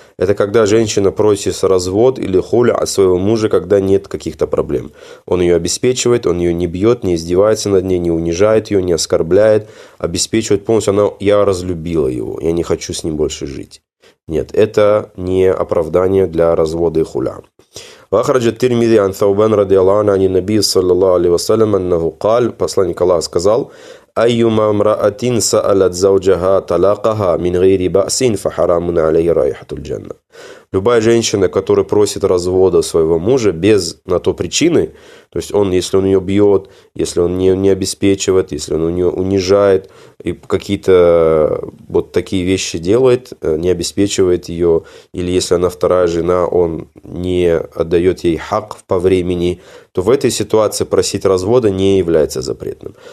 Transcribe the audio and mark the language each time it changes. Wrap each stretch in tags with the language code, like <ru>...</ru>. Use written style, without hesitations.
<ru>Это когда женщина просит развод или хуля от своего мужа, когда нет каких-то проблем. Он ее обеспечивает, он ее не бьет, не издевается над ней, не унижает ее, не оскорбляет, обеспечивает полностью. Она: я разлюбила его, я не хочу с ним больше жить. Нет, это не оправдание для развода и хуля.</ru> <ar>وأخرج الترمذي عن ثوبان رضي الله عنه عن النبي صلى الله عليه وسلم أنه قال</ar> <ru>посланник Аллаха сказал:</ru> <ar>أيما امرأة سألت زوجها طلاقها من غير بأس فحرام عليه رائحة الجنة.</ar> <ru>Любая женщина, которая просит развода своего мужа без на то причины, то есть он, если он ее бьет, если он ее не обеспечивает, если он ее унижает и какие-то вот такие вещи делает, не обеспечивает ее, или если она вторая жена, он не отдает ей хак по времени, то в этой ситуации просить развода не является запретным.</ru>